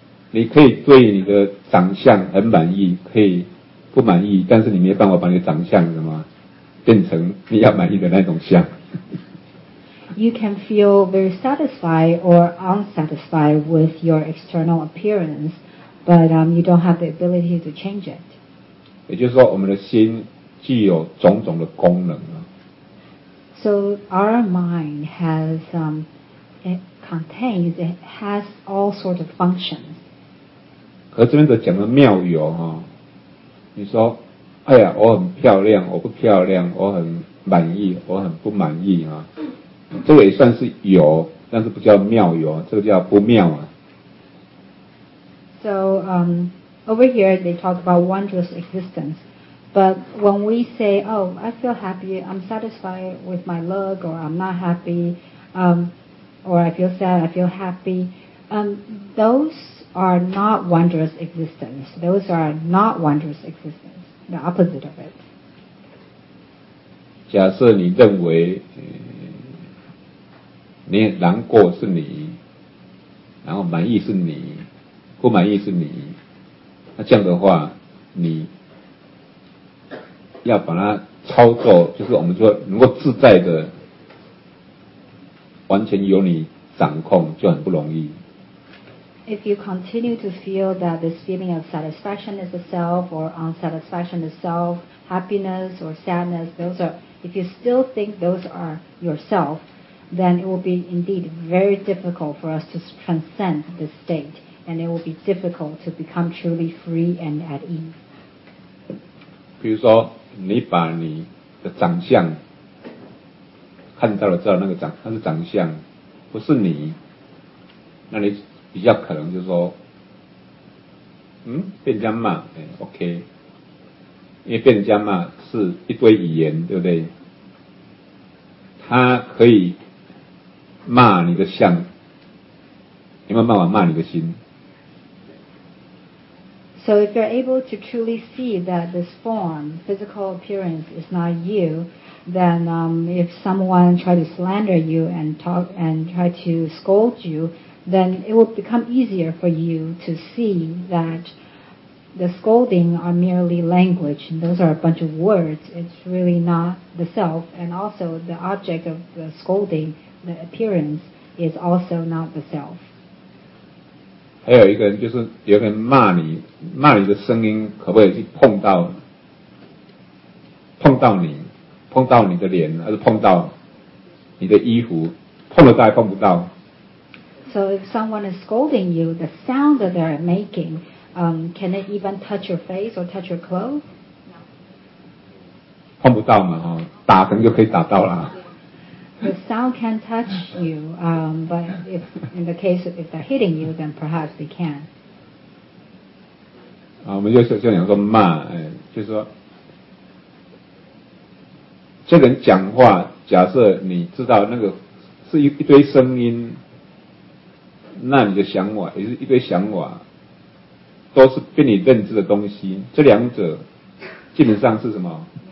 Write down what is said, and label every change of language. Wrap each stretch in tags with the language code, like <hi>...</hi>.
<zh>你可以对你的长相很满意，可以不满意，但是你没办法把你的长相什么变成你要满意的那种相。</zh> <en>You can feel very satisfied or unsatisfied with your external appearance, but you don't have the ability to change it.</en> <zh>也就是说，我们的心具有种种的功能啊。</zh> <en>So our mind has it has all sorts of functions.</en> <zh>可这边的讲的妙有哈，你说，哎呀，我很漂亮，我不漂亮，我很满意，我很不满意啊，这个也算是有，但是不叫妙有，这个叫不妙啊。</zh> <en>So, over here they talk about wondrous existence. But when we say, oh, I feel happy, I'm satisfied with my look, or I'm not happy, or I feel sad, I feel happy, those are not wondrous existence. Those are not wondrous existence. The opposite of it.</en> <zh>假设你认为你难过是你，然后满意是你，不满意是你，那这样的话，你要把它操作，就是我们说能够自在的，完全由你掌控，就很不容易。</zh> <en>If you continue to feel that this feeling of satisfaction is a self, or unsatisfaction is self, happiness or sadness, those are, if you still think those are yourself,then it will be indeed very difficult for us to transcend this state, and it will be difficult to become truly free and at ease.</en> <zh>比如说你把你的长相看到了，知道那个长，那是长相，不是你，那你比较可能就是说，被人家骂，OK， 因为被人家骂是一堆语言，对不对？他可以骂你的相，有没有办法骂你的心？</zh> <en>So if you're able to truly see that this form, physical appearance, is not you, then if someone try to slander you and talk and try to scold you, then it will become easier for you to see that the scolding are merely language, and those are a bunch of words. It's really not the self, and also the object of the scolding. The appearance is also not the self.</en> <zh>还有一个人就是有人骂你，骂你的声音可不可以去碰到你，碰到你的脸，还是碰到你的衣服，碰得到还碰不到？</zh> <en>So if someone is scolding you, the sound that they're making, can it even touch your face or touch your clothes?</en> <zh>No. 碰不到嘛，哦，打可能就可以打到啦。</zh> <en>The sound can touch you, but if in the case of if they're hitting you, then perhaps they can.</en> <zh>啊，我们就像讲说骂，就是说，这个人讲话，假设你知道那个是一堆声音，那你的想法也是一堆想法，都是被你认知的东西，这两者基本上是什么？</zh>